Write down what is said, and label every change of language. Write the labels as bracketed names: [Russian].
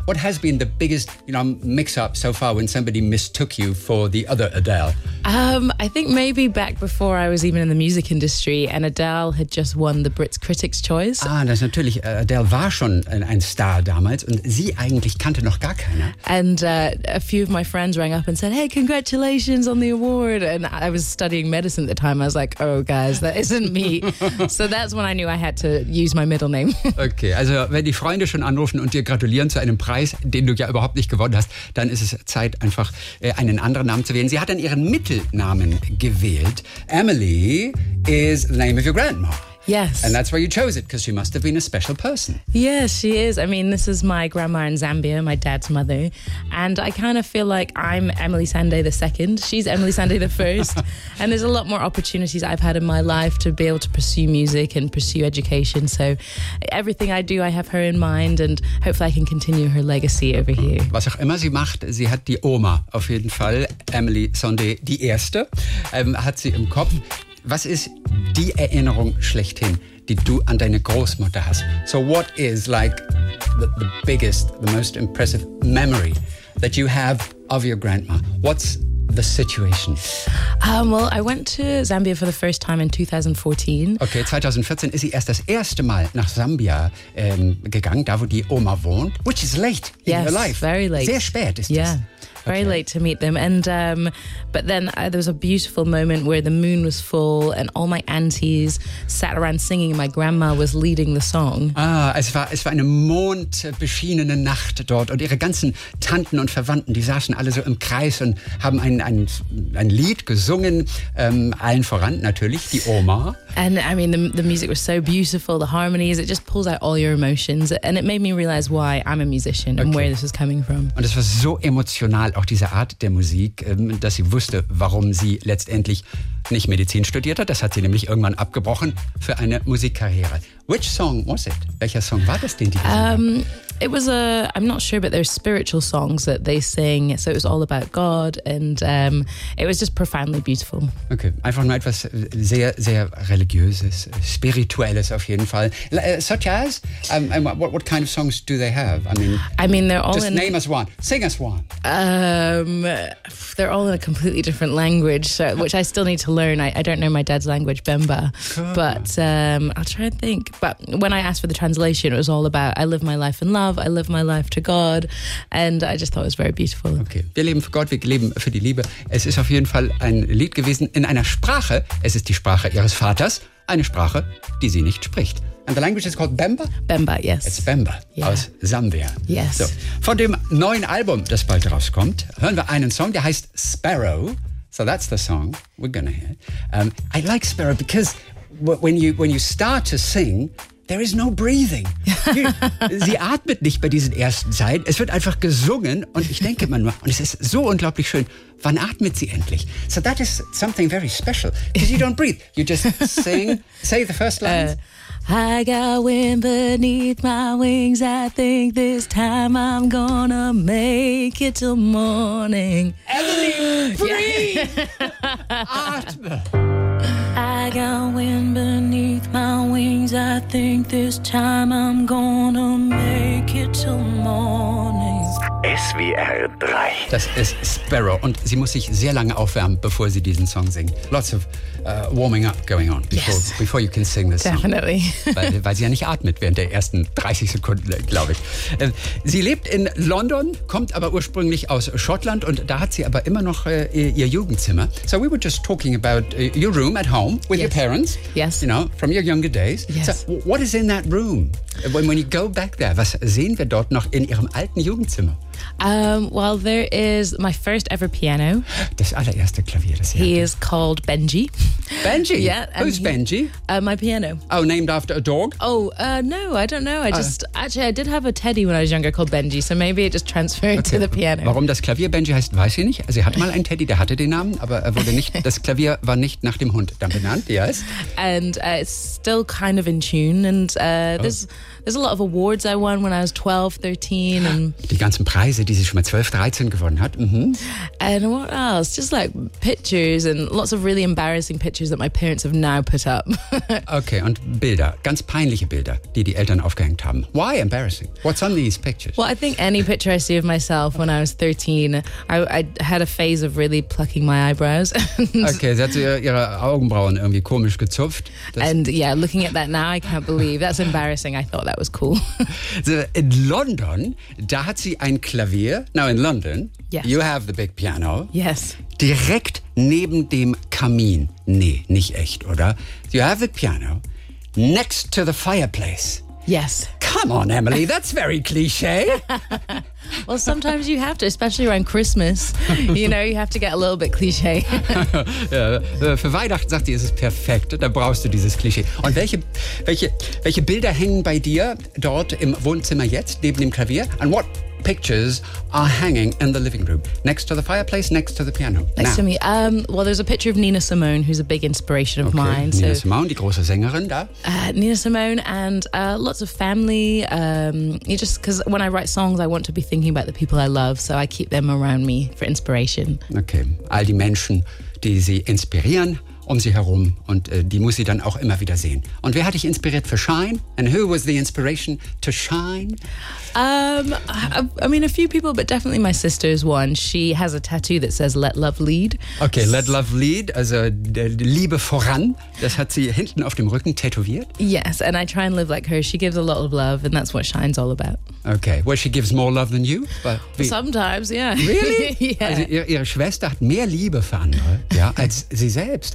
[English] What has been the biggest, you know, mix-up so far when somebody mistook you for the other Adele? I think maybe back before I was even in the music industry and Adele had just won the Brits Critics' Choice. [German] Ah, das ist natürlich. Adele war schon ein Star damals und sie eigentlich kannte noch gar keiner. [English] And a few of my friends rang up and said, hey, congratulations on the award. And I was studying medicine at the time. I was like, oh, guys, that isn't me. So that's when I knew I had to use my middle name. [German] Okay, also wenn die Freunde schon anrufen und dir gratulieren zu einem Preis, den du ja überhaupt nicht gewonnen hast, dann ist es Zeit, einfach einen anderen Namen zu wählen. Sie hat dann ihren Mittelnamen gewählt. [English] Emily is the name of your grandma. Yes. And that's why you chose it, because she must have been a special person. Yes, she is. I mean, this is my grandma in Zambia, my dad's mother. And I kind of feel like I'm Emily Sandé the second. She's Emily Sandé the first. And there's a lot more opportunities I've had in my life to be able to pursue music and pursue education. So everything I do, I have her in mind and hopefully I can continue her legacy over here. [German] Was auch immer sie macht, sie hat die Oma auf jeden Fall, Emily Sandé die erste, hat sie im Kopf. Was ist die Erinnerung schlechthin, die du an deine Großmutter hast? [English] So what is like the biggest, the most impressive memory that you have of your grandma? What's the situation? Well, I went to Zambia for the first time in 2014. [German] Okay, 2014 ist sie erst das erste Mal nach Sambia gegangen, da wo die Oma wohnt. [English] Which is late in yes, her life. Very late. [German] Sehr spät ist [English] yeah. [German] das. [English] Very late to meet them. And but then there was a beautiful moment where the moon was full and all my aunties sat around singing and my grandma was leading the song. [German] Ah, es war eine mondbeschienene Nacht dort und ihre ganzen Tanten und Verwandten, die saßen alle so im Kreis und haben ein Lied gesungen, allen voran natürlich, die Oma. [English] And I mean, the music was so beautiful, the harmonies, it just pulls out all your emotions and it made me realize why I'm a musician okay. and where this is coming from. [German] Und es war so emotional. Auch diese Art der Musik, dass sie wusste, warum sie letztendlich nicht Medizin studiert hat. Das hat sie nämlich irgendwann abgebrochen für eine Musikkarriere. [English] Which song was it? [German] Welcher Song war das denn, die gesungen hat? [English] It was a, I'm not sure, but there's spiritual songs that they sing. So it was all about God and it was just profoundly beautiful. [German] Okay, einfach nur etwas sehr, sehr Religiöses, Spirituelles auf jeden Fall. [English] Such as? What kind of songs do they have? I mean they're all just in... Just name us one. Sing us one. They're all in a completely different language, so, which I still need to learn. I don't know my dad's language, Bemba. Cool. But I'll try and think. But when I asked for the translation, it was all about I live my life in love, I live my life to God. And I just thought it was very beautiful. [German] Okay, wir leben für Gott, wir leben für die Liebe. Es ist auf jeden Fall ein Lied gewesen in einer Sprache. Es ist die Sprache ihres Vaters, eine Sprache, die sie nicht spricht. [English] And the language is called Bemba? Bemba, yes. It's Bemba yeah. [German] aus Sambia. [English] Yes. [German] So, von dem neuen Album, das bald rauskommt, hören wir einen Song, der heißt Sparrow. [English] So that's the song we're gonna hear. I like Sparrow because... When you start to sing, there is no breathing. [German] Sie atmet nicht bei diesen ersten Zeilen. Es wird einfach gesungen und ich denke immer nur, und es ist so unglaublich schön. Wann atmet sie endlich? [English] So that is something very special. Because you don't breathe. You just sing, say the first lines. I got wind beneath my wings. I think this time I'm gonna make it till morning. Emily, breathe! [German] Atme! [English] I got wind beneath my wings. I think this time I'm gonna make it till morning. [German] SWR 3. Das ist Sparrow und sie muss sich sehr lange aufwärmen, bevor sie diesen Song singt. [English] Lots of warming up going on before you can sing this Definitely. Song. Definitely. [German] Weil sie ja nicht atmet während der ersten 30 Sekunden, glaube ich. Sie lebt in London, kommt aber ursprünglich aus Schottland und da hat sie aber immer noch ihr Jugendzimmer. [English] So we were just talking about your room at home with yes. your parents. Yes. You know, from your younger days. Yes. So what is in that room? When you go back there, [German] was sehen wir dort noch in ihrem alten Jugendzimmer? [English] Well, there is my first ever piano. He is called Benji. Benji? Yeah. Who's Benji? My piano. Oh, named after a dog? Oh, no, I don't know. I did have a teddy when I was younger called Benji, so maybe it just transferred to the piano. [German] Warum das Klavier Benji heißt, weiß ich nicht. Also, er hatte mal einen Teddy, der hatte den Namen, aber er wurde nicht, das Klavier war nicht nach dem Hund dann benannt, yes. [English] And it's still kind of in tune and there's a lot of awards I won when I was 12, 13. And [German] die ganzen Preise, die sie schon mal 12, 13 gewonnen hat. Mm-hmm. [English] And what else? Just like pictures and lots of really embarrassing pictures that my parents have now put up. [German] Okay, und Bilder, ganz peinliche Bilder, die die Eltern aufgehängt haben. [English] Why embarrassing? What's on these pictures? Well, I think any picture I see of myself when I was 13, I had a phase of really plucking my eyebrows. [German] Okay, sie hat ihre Augenbrauen irgendwie komisch gezupft. [English] And yeah, looking at that now, I can't believe. That's embarrassing, I thought that was cool. [German] So in London, da hat sie ein Klavier. [English] Now in London, yes. You have the big piano. Yes. [German] Direkt neben dem Kamin. Nee, nicht echt, oder? [English] You have the piano next to the fireplace. Yes. Come on, Emily, that's very cliche. Well, sometimes you have to, especially around Christmas. You know, you have to get a little bit cliche. [German] Ja, für Weihnachten, sagt sie, ist es perfekt. Da brauchst du dieses Klischee. Und welche Bilder hängen bei dir dort im Wohnzimmer jetzt, neben dem Klavier? [English] And what pictures are hanging in the living room? Next to the fireplace, next to the piano. Next to me. Well, there's a picture of Nina Simone, who's a big inspiration of mine. [German] Nina Simone, die große Sängerin da. [English] Nina Simone and lots of family. Because when I write songs, I want to be thinking about the people I love, so I keep them around me for inspiration. [German] Okay, all die Menschen, die sie inspirieren um sie herum und die muss sie dann auch immer wieder sehen. Und wer hat dich inspiriert für Shine? [English] And who was the inspiration to Shine? A few people, but definitely my sister is one. She has a tattoo that says Let Love Lead. [German] Okay, Let Love Lead, also Liebe voran. Das hat sie hinten auf dem Rücken tätowiert. [English] Yes, and I try and live like her. She gives a lot of love and that's what Shine's all about. Okay, well, she gives more love than you. Sometimes, yeah. Really? Yeah. [German] Also ihre Schwester hat mehr Liebe für andere, ja, als sie selbst.